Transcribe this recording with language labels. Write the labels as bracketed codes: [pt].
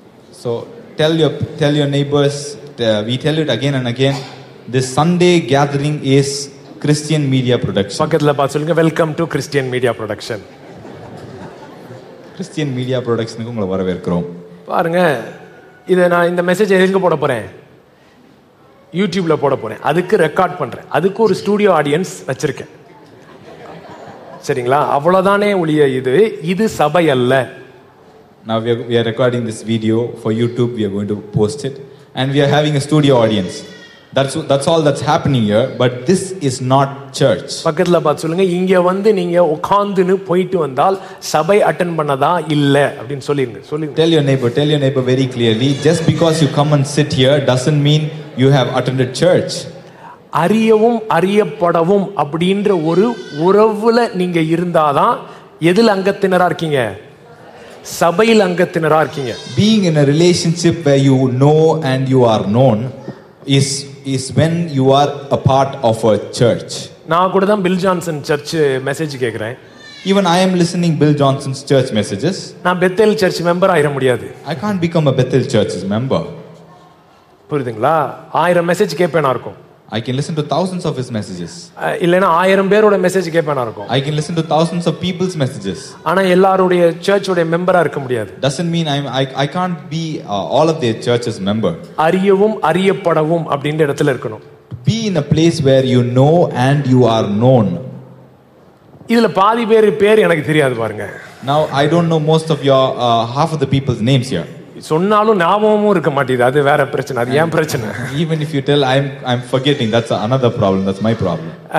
[en] So tell your neighbors, we tell it again and again, this Sunday gathering is Christian Media Production. [ta] பக்கத்துல பா சொல்லுங்க, [en] Welcome to Christian media production. [ta] Christian media ப்ரொடக்ஷனுக்கு உங்களை வரவேற்கிறோம். பாருங்க, இதை நான் இந்த மெசேஜ் எங்க போட போறேன், யூடியூப்ல போட போறேன், அதுக்கு ரெக்கார்ட் பண்றேன், அதுக்கு ஒரு ஸ்டுடியோ ஆடியன்ஸ் வச்சிருக்கேன், சரிங்களா? அவ்வளவுதானே ஒளிய, இது சபை அல்ல. [en] Now we are recording this video for YouTube, we are going to post it, and we are having a studio audience. That's all that's happening here, but this is not church. [ta] பக்கத்துல பாத்து சொல்லுங்க, இங்க வந்து நீங்க உட்கார்ந்துனு போயிட்டு வந்தால் சபை attend பண்ணதா இல்ல அப்படினு சொல்லுங்க. [en] Tell your neighbor very clearly, just because you come and sit here doesn't mean you have attended church. [ta] அறியவும் அறியப்படவும் அப்படிங்கற ஒரு உறவுல நீங்க இருந்தாதான், எதில அங்கத்தினரா இருக்கீங்க, சபையில் அங்கத்தினரா இருக்கீங்க. [en] Being in a relationship where you know and you are known is when you are a part of a church. [ta] நா கூட தான் பில் ஜான்சன் சர்ச் மெசேஜ் கேக்குறேன். [en] Even I am listening Bill Johnson's church messages. [ta] நான் Bethel search member ஆயிர முடியாது. [en] I can't become a Bethel church's member. [ta] புரியுதுங்களா? ஆயிரம் message கேப்பேனா இருக்கும். [en] I can listen to thousands of his messages. [ta] இல்லனா 1000 பேரோட message கேப்பேனா இருக்கும். [en] I can listen to thousands of people's messages. [ta] ஆனா எல்லாரோட சர்ச்சோட மெம்பரா இருக்க முடியாது. [en] Doesn't mean I can't be all of their church's member. [ta] அறியவும் அறியப்படவும் அப்படிங்கற இடத்துல இருக்கணும். [en] Be in a place where you know and you are known. [ta] இதுல பாதி பேர் பேர் எனக்கு தெரியாது பாருங்க. [en] Now I don't know most of your half of the people's names here. [ta] சொன்னாலும் ஞாபகமும் இருக்க மாட்டேது, அது வேற பிரச்சனை, அது ஏன் பிரச்சனை? [en] Even if you tell, I'm forgetting, that's another problem, that's my problem.